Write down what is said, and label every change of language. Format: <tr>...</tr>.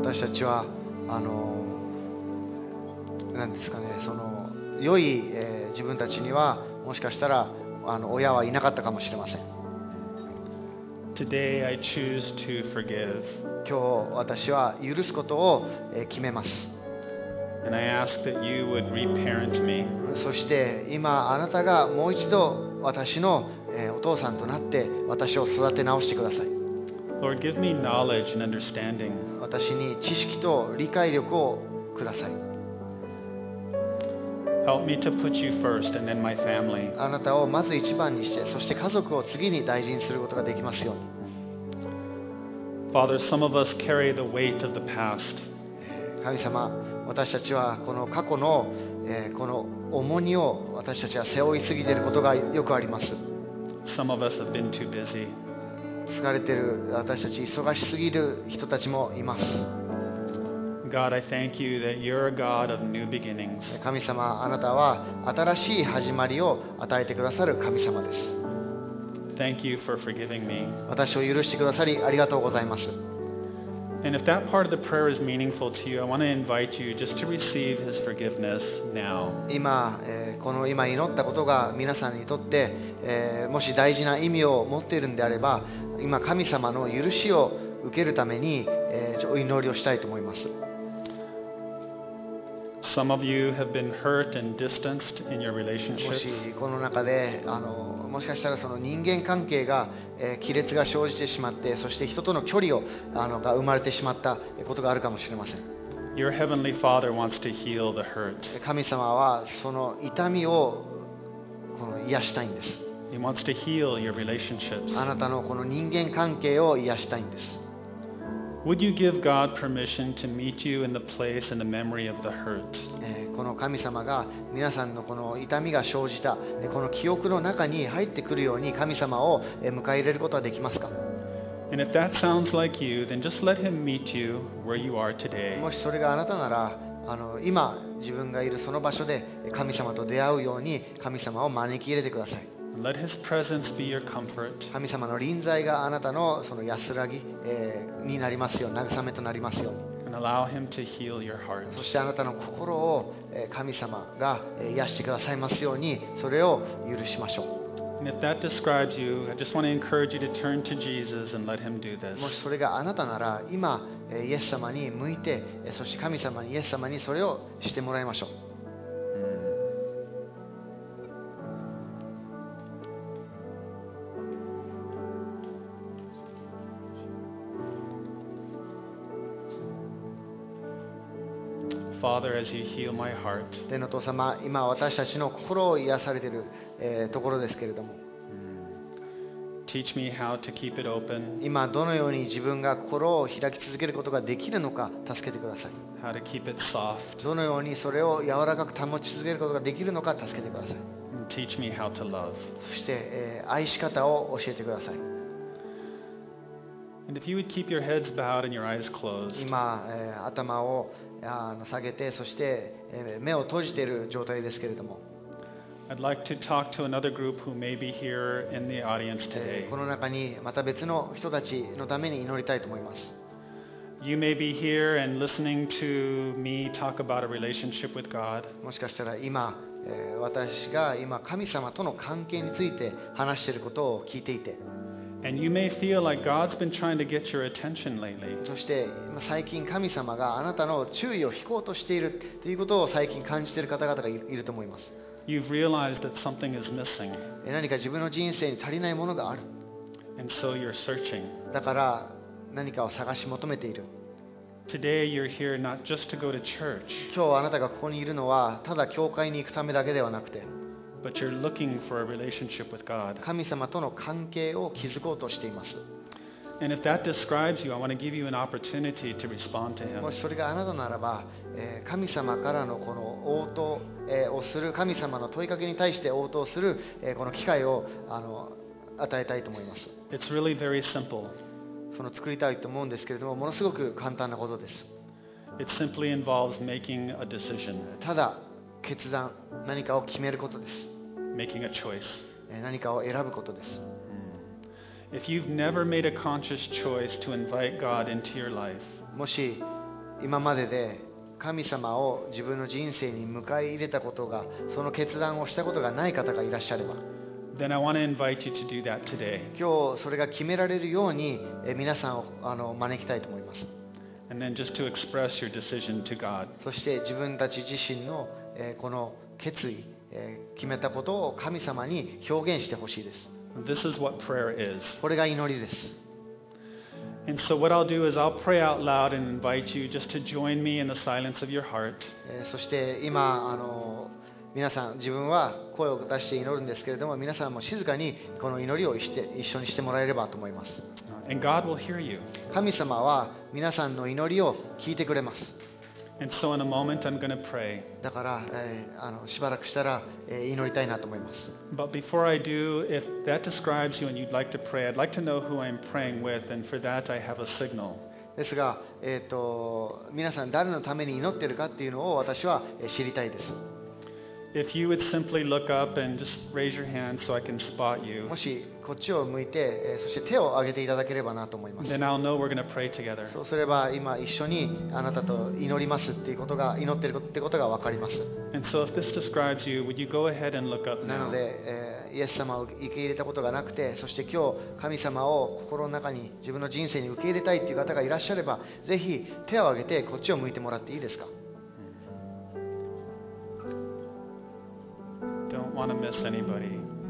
<ja>私たちは何ですかね、その良い、自分たちにはもしかしたら親はいなかったかもしれません。</ja> <en>Today I choose to forgive.</en> <ja>今日私は許すことを、決めます。</ja> <en>And I ask that you would reparent me.</en> <ja>そして今あなたがもう一度私のお父さんとなって私を育て直してください。</ja> <en>Lord, give me knowledge and understanding.</en> <ja>私に知識と理解力をください。</ja> <en>Help me to put you first and then my family.</en> <ja>あなたをまず一番にして、そして家族を次に大事にすることができますように。</ja> <en>Father, some of us carry the weight of the past.</en> <ja>神様、私たちはこの過去の、この重荷を私たちは背負いすぎていることがよくあります。</ja> <en>Some of us have been too busy.</en> <ja>疲れてる私たち、忙しすぎる人たちもいます。</ja> <en>God, I thank you that you're a God of new beginnings.</en> <ja>神様、あなたは新しい始まりを与えてくださる神様です。</ja> <en>Thank you for forgiving me.</en> <ja>私を許してくださりありがとうございます。</ja> <en>And if that part of the prayer is meaningful to you, I want to invite you just to receive His forgiveness now.</en> <ja>今、この今祈ったことが皆さんにとって、もし大事な意味を持っているんであれば、今神様の許しを受けるために、お祈りをしたいと思います。</ja> <en>Some of you have been hurt and distanced in your relationships.</en> <ja>もしこの中でもしかしたらその人間関係が、亀裂が生じてしまって、そして人との距離をが生まれてしまったことがあるかもしれません。</ja> <en>Your heavenly Father wants to heal the hurt.</en> <ja>神様はその痛みをこの癒したいんです。</ja> <en>He wants to heal your relationships.</en> <ja>あなたのこの人間関係を癒したいんです。</ja> <en>Would you give God permission to meet you in the place and the memory of the hurt?</en> <ja>この神様が皆さんのこの痛みが生じたこの記憶の中に入ってくるように神様を迎え入れることはできますか?</ja> <en>And if that sounds like you, then just let Him meet you where you are today.</en> <ja>もしそれがあなたなら、今自分がいるその場所で神様と出会うように神様を招き入れてください。</ja> <en>Let His presence be your comfort.</en> <ja>神様の臨在があなたのその安らぎ、になりますよ、慰めとなりますよ。</ja> <en>And allow Him to heal your heart.</en> <ja>そしてあなたの心を、神様が、癒してくださいますように、それを許しましょう。</ja> <en>And if that describes you, I just want to encourage you to turn to Jesus and let Him do this.</en> <ja>もしそれがあなたなら、今、イエス様に向いて、そして神様に、イエス様にそれをしてもらいましょう。</ja> <en>Father, as you heal my heart.</en> <ja>天のお父様、今私たちの心を癒されている、ところですけれども。</ja> <en>Teach me how to keep it open.</en> <ja>今どのように自分が心を開き続けることができるのか助けてください。</ja> <en>How to keep it soft.</en> <ja>どのようにそれを柔らかく保ち続けることができるのか助けてください。</ja> <en>Teach me how to love.</en> <ja>そして、愛し方を教えてください。</ja> <en>if you would keep your heads bowed and your eyes closed.</en> <ja>今、頭を下げて、そして、目を閉じている状態ですけれども。</ja> <en>I'd like to talk to another group who may be here in the audience today.</en> <ja>この中にまた別の人たちのために祈りたいと思います。</ja> <en>You may be here and listening to me talk about a relationship with God.</en> <ja>もしかしたら今、私が今神様との関係について話していることを聞いていて。</ja> <en>And you may feel like God's been trying to get your attention lately.</en> <ja>そして最近神様があなたの注意を引こうとしているということを最近感じている方々がいると思います。</ja> <en>You've realized that something is missing.</en> <ja>何か自分の人生に足りないものがある。</ja> <en>And so you're searching.</en> <ja>だから何かを探し求めている。</ja> <en>Today you're here not just to go to church.</en> <ja>今日あなたがここにいるのはただ教会に行くためだけではなくて。</ja> <en>But you're looking for a relationship with God.</en> <ja>神様との関係を築こうとしています。</ja> <en>And if that describes you, I want to give you an opportunity to respond to Him.</en> <ja>もしそれがあなたならば、神様からのこの応答をする、神様の問いかけに対して応答する、この機会を与えたいと思います。</ja> <en>It's really very simple.</en> <ja>その作りたいと思うんですけれども、ものすごく簡単なことです。</ja> <en>It simply involves making a decision.</en> <ja>ただ決断、何かを決めることです。</ja> <en>Making a choice.</en> <ja>何かを選ぶことです。</ja> <en>If you've never made a conscious choice to invite God into your life,</en> <ja>もし今までで神様を自分の人生に迎え入れたことが、その決断をしたことがない方がいらっしゃれば、</ja> <en>then I want to invite you to do that today.</en> <ja>今日それが決められるように皆さんを招きたいと思います。</ja> <en>And then just to express your decision to God.</en> <ja>そして自分たち自身のこの決意、決めたことを神様に表現してほしいです。</ja> <en>This is what prayer is.</en> <ja>これが祈りです。</ja> <en>And so what I'll do is I'll pray out loud and invite you just to join me in the silence of your heart.</en> <ja>そして今皆さん自分は声を出して祈るんですけれども、皆さんも静かにこの祈りをして一緒にしてもらえればと思います。</ja> <en>And God will hear you.</en> <ja>神様は皆さんの祈りを聞いてくれます。</ja> <en>And so in a moment I'm going to pray.</en> <ja>だから、しばらくしたら、祈りたいなと思います。</ja> <en>But before I do, if that describes you and you'd like to pray, I'd like to know who I'm praying with, and for that I have a signal.</en> <ja>ですが、皆さん誰のために祈ってるかっていうのを私は知りたいです。</ja> <en>If you would simply look up and just raise your hand so I can spot you.</en> <ja>もしこっちを向いて、そして手を挙げていただければなと思います。</ja> <en>Then I'll know we're going to pray together.</en> <ja>そうすれば今一緒にあなたと祈りますっていうことが、祈ってるってことがわかります。</ja> <en>And so if this describes you, would you go ahead and look up now?</en> <ja>なので、イエス様を受け入れたことがなくて、そして今日神様を心の中に自分の人生に受け入れたいっていう方がいらっしゃれば、ぜひ手を挙げてこっちを向いてもらっていいですか？</ja> <en>Want to miss anybody.</en>